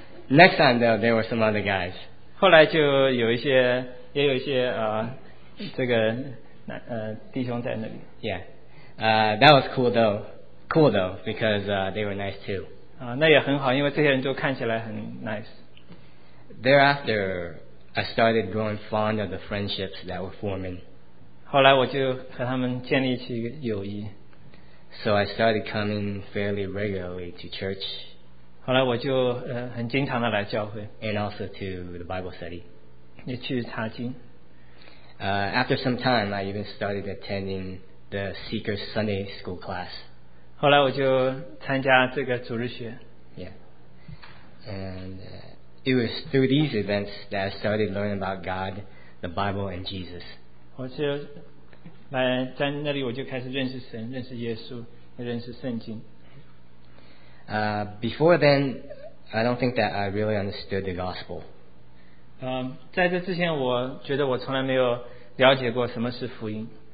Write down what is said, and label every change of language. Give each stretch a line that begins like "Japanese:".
English: Next time, though, there were some other guys.
Chinese: 后来就有一些, 也有一些, 这个弟兄在那里。
English: Yeah, that was cool though, because they were nice too.
Chinese: 那也很好，因为这些人都看起来很 nice.
English: Thereafter, I started growing fond of the friendships that were forming.
Chinese: 后来我就和他们建立起友谊。
English: So I started coming fairly regularly to church.
Chinese: 后来我就很经常的来教会。
English: And also to the Bible study.
Chinese: 也去查经。
English: After some time, I even started attending the Seeker Sunday School class.
Chinese: 后来我就参加这个主日学。
English: Yeah. And it was through these events that I started learning about God, the Bible, and Jesus.
Chinese: 我就来在那里我就开始认识神，认识耶稣，也认识圣经。
English: Before then, I don't think that I really understood the gospel.
Chinese: 在这之前，我觉得我从来没有了解过什么是福音。